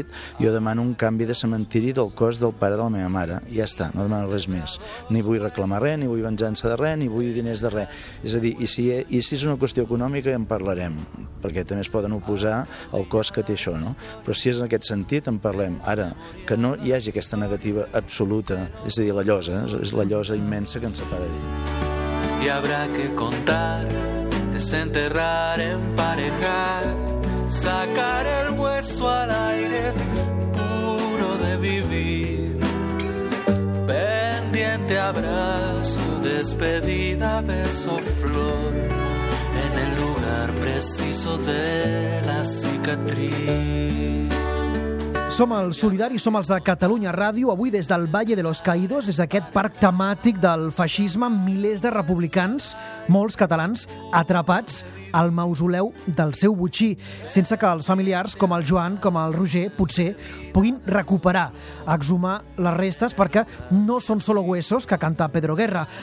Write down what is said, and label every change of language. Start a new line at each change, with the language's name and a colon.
Catalan: escrit, jo demano un canvi de cementiri del cos del pare de la meva mare, i ja està, no demano res més, ni vull reclamar res, ni vull venjança de res, ni vull diners de res. És a dir, i si és una qüestió econòmica, ja en parlarem, perquè també es poden oposar al cos que té això, no? Però si és en aquest sentit, en parlem. Ara, que no hi hagi aquesta negativa absoluta, és a dir, la llosa, és la llosa immensa que ens separa d'ell.
Spanish: Y habrá que contar, desenterrar, emparejar, sacar el hueso al aire puro de vivir. Pendiente habrá su despedida, beso, flor, en el lugar preciso de la cicatriz.
Catalan: Som els Solidaris, som els de Catalunya Ràdio, avui des del Valle de los Caídos, des d'aquest parc temàtic del feixisme, amb milers de republicans, molts catalans, atrapats al mausoleu del seu botxí, sense que els familiars, com el Joan, com el Roger, potser, puguin recuperar, exhumar les restes, perquè no són
Spanish: solo huesos,
Catalan: que canta Pedro Guerra.